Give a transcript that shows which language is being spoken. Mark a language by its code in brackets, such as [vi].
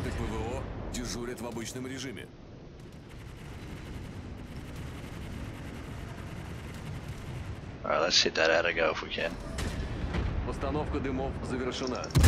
[ru] ПВО дежурит в обычном режиме. [en] Alright, let's hit that out of go if we can. [ru] Постановка дымов завершена.